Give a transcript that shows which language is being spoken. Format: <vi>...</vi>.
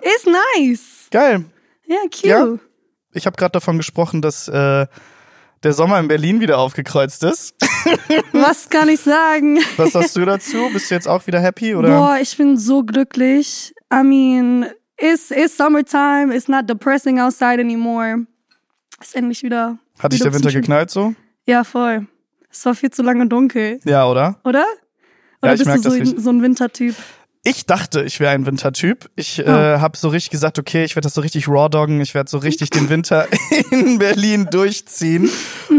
<en>It's nice.</en> <de>Geil.</de> <en>Yeah, cute. Ja, cute.</en> <de>Ich habe gerade davon gesprochen, dass der Sommer in Berlin wieder aufgekreuzt ist. Was kann ich sagen? Was sagst du dazu? Bist du jetzt auch wieder happy? Oder? Boah, ich bin so glücklich.</de> <en>I mean, it's summertime. It's not depressing outside anymore.</en> <de>Ist endlich wieder. Hat dich der Winter geknallt so? Ja, voll. Es war viel zu lange dunkel. Ja, oder? Oder? Oder ja, ich bist merk du so, so ein Wintertyp? Ich dachte, ich wäre ein Wintertyp. Ich habe so richtig gesagt, okay, ich werde das so richtig rawdoggen. Ich werde so richtig den Winter in Berlin durchziehen. Mhm.</de>